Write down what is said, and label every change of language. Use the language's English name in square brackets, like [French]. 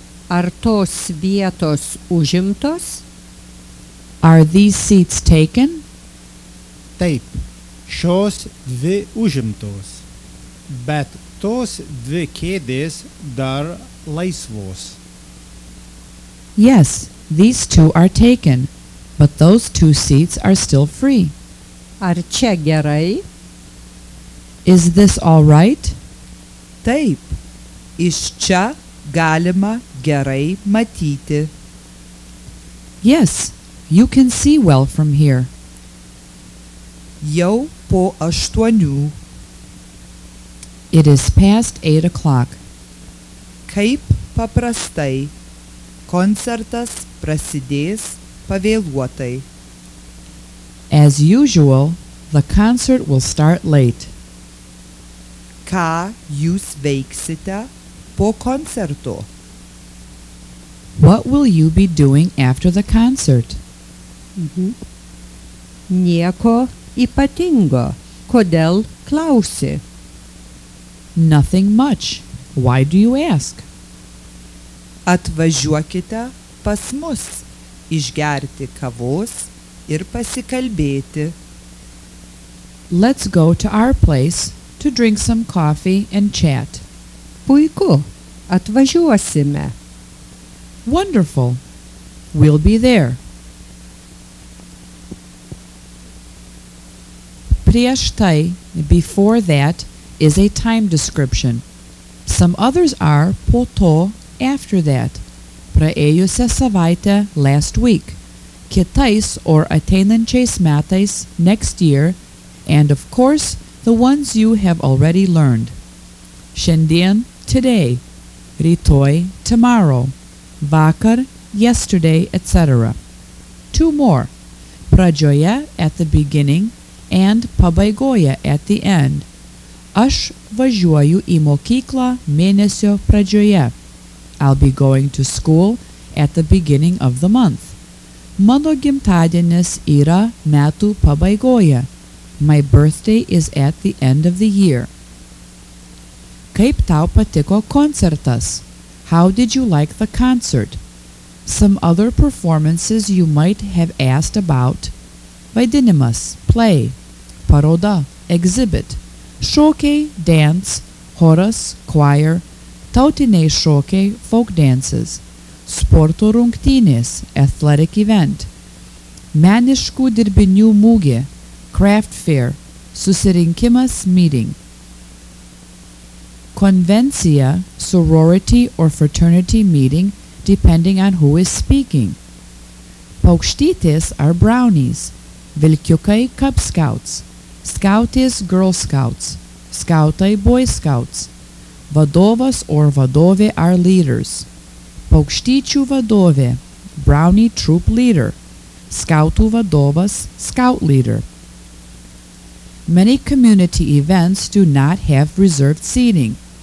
[Lithuanian] Ar tos vietos užimtos? [English] Are these seats taken? [Lithuanian] Taip, šios dvi užimtos, bet tos dvi kėdės dar laisvos. [English] Yes, these two are taken, but those two seats are still free. [Lithuanian] Ar čia gerai? [English] Is this all right? [Lithuanian] Taip, iš čia galima gerai matyti. [English] Yes, you can see well from here. [Lithuanian] Jau po aštuonių. [English] It is past 8 o'clock. [Lithuanian] Kaip paprastai, koncertas prasidės pavėluotai. [English] As usual, the concert will start late. [Lithuanian] Ką jūs veiksite po koncerto? [English] What will you be doing after the concert? [Lithuanian] Mm-hmm. Nieko ypatingo. Kodėl klausi? [English] Nothing much. Why do you ask? [Lithuanian] Atvažiuokite pas mus išgerti kavos ir pasikalbėti. [English] Let's go to our place to drink some coffee and chat. [Lithuanian] Puiku. Atvažiuosime. [English] Wonderful. We'll be there. [Lithuanian] Prieš tai, [English] before that, is a time description. Some others are [Lithuanian] po to, [English] after that. [Lithuanian] Praėjusią savaitę, [English] last week. Kitais, or [Lithuanian] ateinančiais metais, [English] next year. And of course, the ones you have already learned. Šiandien, today. Rytoj, tomorrow. Vakar, yesterday, etc. Two more. Pradžioje, at the beginning, and pabaigoje, at the end. [Lithuanian] Aš važiuoju į mokyklą mėnesio pradžioje. [English] I'll be going to school at the beginning of the month. [Lithuanian] Mano gimtadienis yra metų pabaigoje. [English] My birthday is at the end of the year. [Lithuanian] Kaip tau patiko koncertas? [English] How did you like the concert? Some other performances you might have asked about. Vaidinimas, play. Paroda, exhibit. Šokiai, dance. Choras, choir. [Lithuanian] Tautiniai šokiai, [English] folk dances. [Lithuanian] Sporto rungtynės, [English] athletic event. [Lithuanian] Meniškų dirbinių mūgė, [English] craft fair. Susirinkimas, meeting. Konvencija, sorority or fraternity meeting, depending on who is speaking. Paukštytės are brownies. Vilkiukai, cub scouts. Scoutės, girl scouts. Scoutai, boy scouts. Vadovas or vadovė are leaders. [Lithuanian] Paukštyčių vadovė, [English] brownie troop leader. [Lithuanian] Scoutų vadovas, [English] scout leader. Many community events do not have reserved seating.